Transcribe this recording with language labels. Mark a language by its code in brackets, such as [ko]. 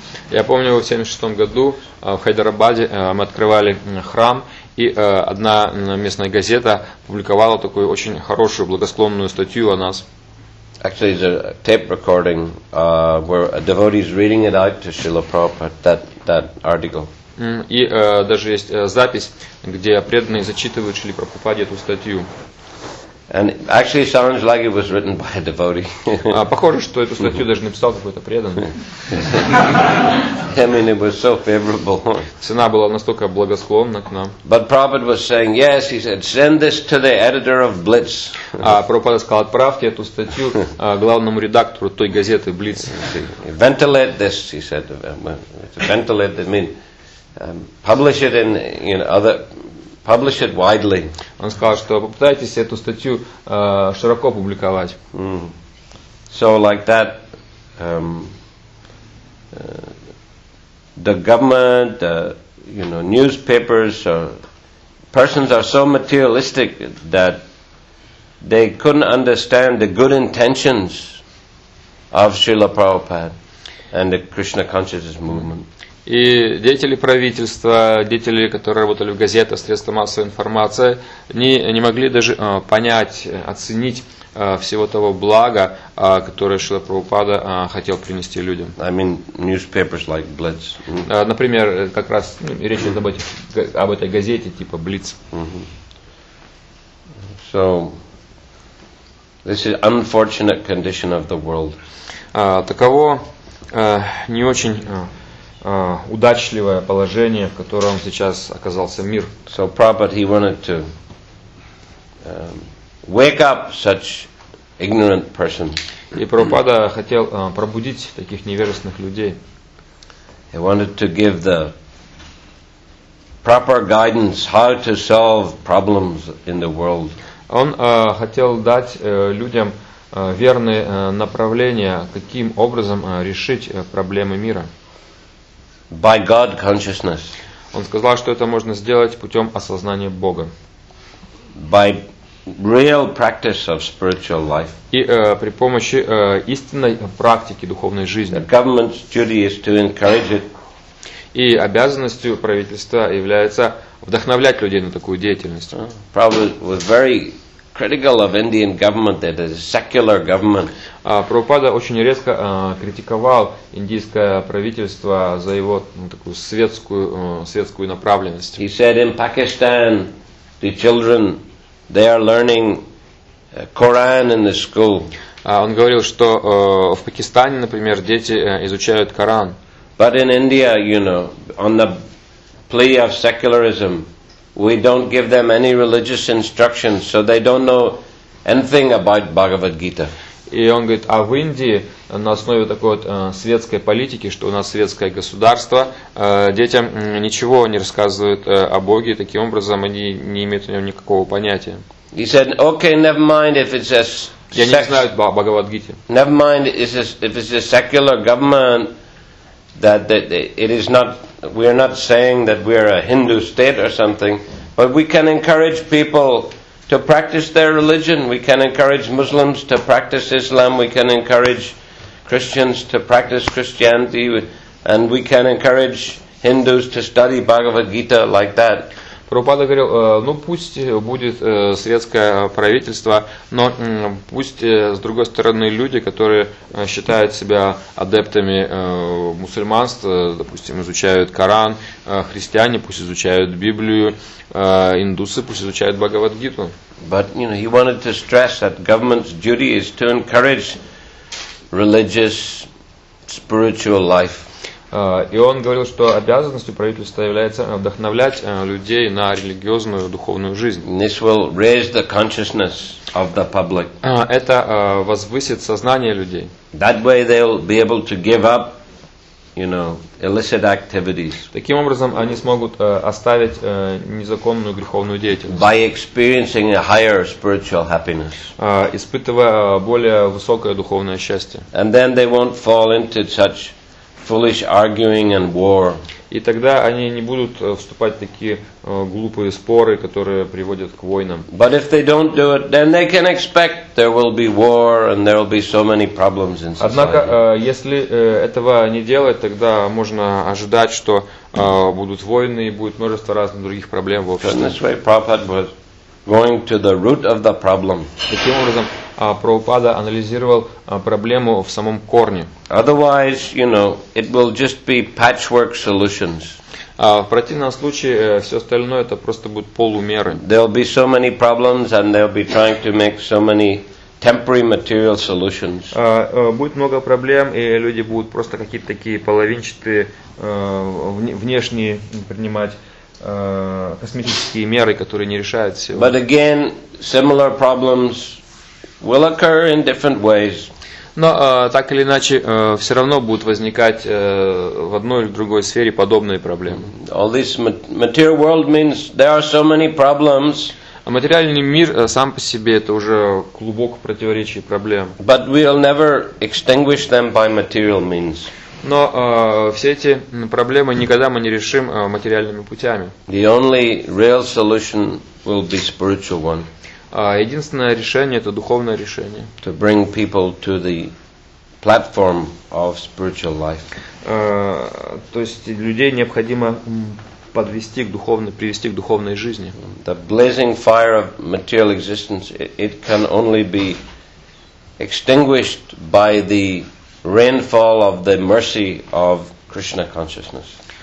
[ru] Я помню, в 76 году в Хайдарабаде мы открывали храм, и одна местная газета публиковала такую очень хорошую благосклонную статью о нас. [en] Actually, it's a tape recording where a devotee is reading it out to Srila Prabhupada, that article. [ru] И даже есть запись, где преданные зачитывают Шрила Прабхупаде эту статью. [en] And actually, it sounds like it was written by a devotee. [ru] Похоже, что эту статью даже написал какой-то преданный. [en] I mean, it was so favorable. [ru] Цена была настолько благосклонна к нам. [en] But Prabhupada was saying, yes, he said, send this to the editor of Blitz. [ru] А Прабхупада сказал, отправьте эту статью главному редактору той газеты Blitz. [en] Ventilate this, he said. Ventilate, I mean, publish it in, you know, other. Publish it widely. [ru] Он сказал, что попытайтесь эту статью широко публиковать. Mm. [en] So like that, the government, you know, newspapers, persons are so materialistic that they couldn't understand the good intentions of Srila Prabhupada and the Krishna consciousness movement. [ru] И деятели правительства, деятели, которые работали в газетах, средства массовой информации, не могли даже понять, оценить всего того блага, которое Шрила Прабхупада хотел принести людям. [en] I mean, newspapers like Blitz. [ru] Например, как раз речь идет об этой газете типа Blitz. [en] So, this is unfortunate condition of the world. [ru] Таково не очень удачливое положение, в котором сейчас оказался мир. [en] So Prabhupada, he wanted to wake up such ignorant persons. [ru] И Прабхупада хотел пробудить таких невежественных людей. [en] He wanted to give the proper guidance how to solve problems in the world. [ru] Он хотел дать людям верные направления, каким образом решить проблемы мира. [en] By God consciousness. [ru] Он сказал, что это можно сделать путем осознания Бога. [en] By real practice of spiritual life. [ru] И при помощи истинной практики духовной жизни. [en] The government's duty is to encourage it. [ru] И обязанностью правительства является вдохновлять людей на такую деятельность. [en] Probably was very critical of Indian government that is a secular government. [ru] Прабхупада очень резко критиковал индийское правительство за его такую светскую направленность. [en] He said in Pakistan the children they are learning Quran in the school. [ru] Он говорил, что в Пакистане, например, дети изучают Коран. [en] But in India, you know, on the plea of secularism, we don't give them any religious instructions, so they don't know anything about Bhagavad Gita. [ru] И он говорит, а в Индии на основе такой вот светской политики, что у нас светское государство, детям ничего не рассказывают о Боге, таким образом они не имеют о нем никакого понятия. [en] He said, okay, never mind if it's just [ru] Я не знаю о Бхагавадгите. [en] Never mind if it's a secular government that it is not, we are not saying that we are a Hindu state or something, but we can encourage people to practice their religion. We can encourage Muslims to practice Islam. We can encourage Christians to practice Christianity. And we can encourage Hindus to study Bhagavad Gita like that. [ru] Прабхупада говорил, ну пусть будет светское правительство, но пусть, с другой стороны, люди, которые считают себя адептами мусульманства, допустим, изучают Коран, христиане пусть изучают Библию, индусы пусть изучают Бхагавадгиту. [en] But, you know, he wanted to stress that government's duty is to encourage religious, spiritual life. [ru] И он говорил, что обязанностью правительства является вдохновлять людей на религиозную, духовную жизнь. [en] This will raise the consciousness of the public. [ru] Это возвысит сознание людей. [en] That way they'll be able to give up, you know, illicit activities. [ru] Таким образом, они смогут оставить незаконную греховную деятельность. [en] By experiencing a higher spiritual happiness. [ru] Испытывая более высокое духовное счастье. [en] And then they won't fall into such foolish arguing and war. [ru] И тогда они не будут вступать в такие глупые споры, которые приводят к войнам. [en] But if they don't do it, then they can expect there will be war and there will be so many problems in society. [ru] Однако, если этого не делать, тогда можно ожидать, что будут войны и будет множество разных других проблем в обществе. [en] In this way, Prabhupada was going to the root of the problem. [ru] Таким образом, Прабхупада анализировал проблему в самом корне. [en] Otherwise, you know, it will just be patchwork solutions. [ru] В противном случае, все остальное это просто будут полумеры. [en] There'll be so many problems and they'll be trying to make so many temporary material solutions. [ru] Будет много проблем, и люди будут просто какие-то такие половинчатые внешние принимать космические меры, которые не решают всего. [en] But again, similar problems will occur in different ways. [ru] Но так или иначе, все равно будут возникать в одной или другой сфере подобные проблемы. [en] All this material world means there are so many problems. [ru] А материальный мир сам по себе это уже клубок противоречий и проблем. [en] But we'll never extinguish them by material means. [ru] Но все эти проблемы никогда мы не решим материальными путями. [en] The only real solution will be spiritual one. [ru] Единственное решение – это духовное решение. [en] To bring people to the platform of spiritual life. [ru] То есть людей необходимо подвести к духовной, привести к духовной жизни. [en] The blazing fire of material existence, it can only be extinguished by the rainfall of the mercy of Krishna consciousness.